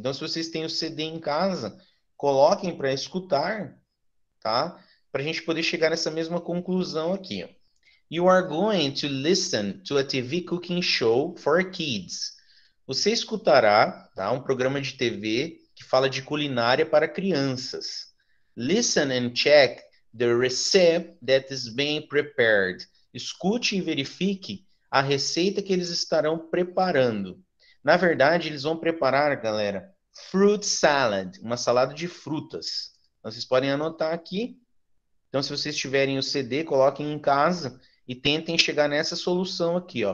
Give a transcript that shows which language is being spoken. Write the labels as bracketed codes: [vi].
[pt] Então, se vocês têm o CD em casa, coloquem para escutar, tá? Para a gente poder chegar nessa mesma conclusão aqui. [en] You are going to listen to a TV cooking show for kids. [pt] Você escutará, tá, um programa de TV que fala de culinária para crianças. [en] Listen and check the recipe that is being prepared. [pt] Escute e verifique a receita que eles estarão preparando. Na verdade, eles vão preparar, galera, fruit salad, uma salada de frutas. Então, vocês podem anotar aqui. Então, se vocês tiverem o CD, coloquem em casa e tentem chegar nessa solução aqui, ó.